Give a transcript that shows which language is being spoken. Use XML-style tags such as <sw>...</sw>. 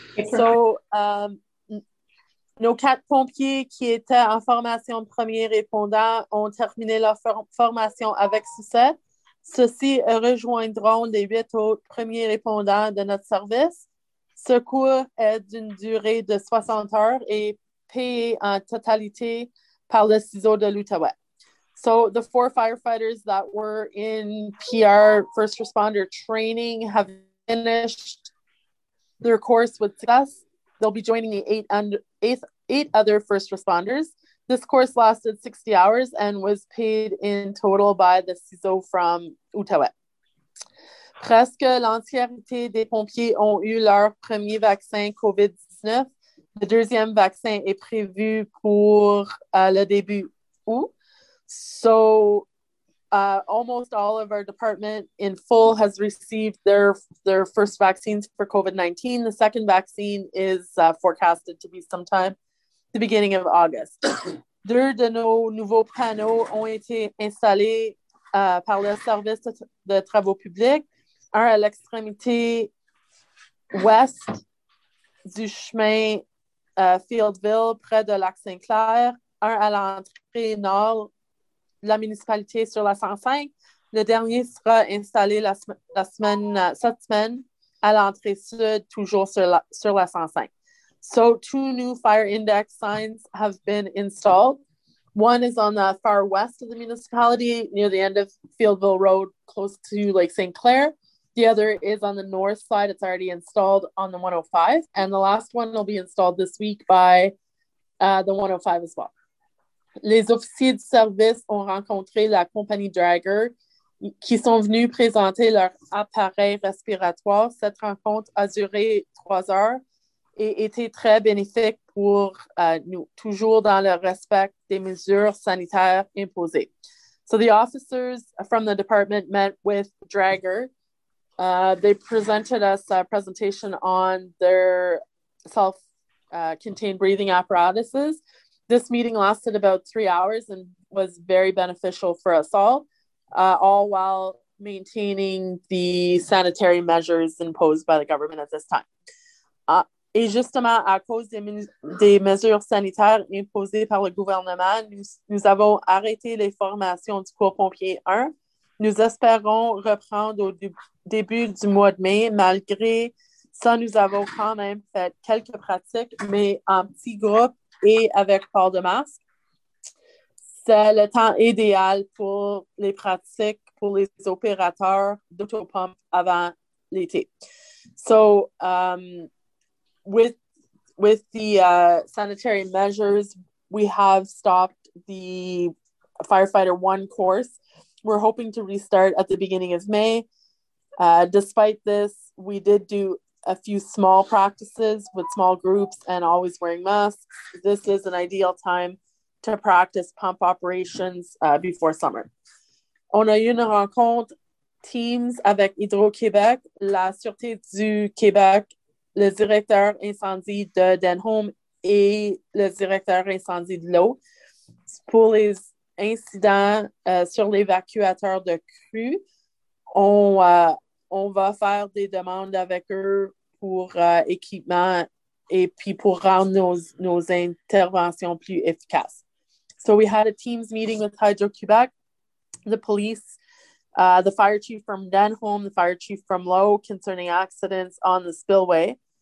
<fr>So, nos quatre pompiers qui étaient en formation de premier répondant ont terminé leur formation avec succès. Ceux-ci rejoindront les huit autres premiers répondants de notre service. Ce cours est d'une durée de 60 heures et payé en totalité par le CISO de l'Outaouais.</fr> <en>So the four firefighters that were in PR first responder training have finished their course with success. They'll be joining the eight other first responders. This course lasted 60 hours and was paid in total by the CISO from Outaouais.</en> <fr>Presque l'entièreté des pompiers ont eu leur premier vaccin COVID-19. Le deuxième vaccin est prévu pour le début août.</fr> <en>So almost all of our department in full has received their first vaccines for COVID-19. The second vaccine is forecasted to be sometime the beginning of August.</en> <fr>Deux de nos nouveaux panneaux ont été installés par le service de travaux publics, un à l'extrémité ouest du chemin Fieldville près de Lac Saint-Clair, un à l'entrée nord la municipalité sur la 105. Le dernier sera installé cette semaine à l'entrée sud, toujours sur la 105.</fr> <en>So two new fire index signs have been installed. One is on the far west of the municipality near the end of Fieldville Road, close to Lake St. Clair. The other is on the north side. It's already installed on the 105. And the last one will be installed this week by the 105 as well.</en> <fr>Les officiers de service ont rencontré la compagnie Dräger qui sont venus présenter leur appareil respiratoire. Cette rencontre a duré 3 heures et était très bénéfique pour nous, toujours dans le respect des mesures sanitaires imposées.</fr> <en>So the officers from the department met with Dräger. They presented us a presentation on their self-contained breathing apparatuses. This meeting lasted about 3 hours and was very beneficial for us all while maintaining the sanitary measures imposed by the government at this time.</en> <fr>Et justement, à cause des mesures sanitaires imposées par le gouvernement, nous avons arrêté les formations du Corps pompier 1. Nous espérons reprendre au début du mois de mai. Malgré ça, nous avons quand même fait quelques pratiques, mais en petits groupes et avec port de masque. C'est le temps idéal pour les pratiques pour les opérateurs d'autopompe avant l'été.</fr> <en>So, with the sanitary measures, we have stopped the Firefighter 1 course. We're hoping to restart at the beginning of May. Despite this, we did do a few small practices with small groups and always wearing masks. This is an ideal time to practice pump operations before summer.</en> <fr>On a eu une rencontre Teams avec Hydro-Québec, la Sûreté du Québec, le directeur incendie de Denholme et le directeur incendie de l'eau pour les incidents sur l'évacuateur de crue. On va faire des demandes avec eux pour équipement et puis pour rendre nos interventions plus efficaces.</fr> <en>So we had a Teams meeting with Hydro-Québec, the police, the fire chief from Denholme, the fire chief from Lowe concerning incidents on the spillway.</en>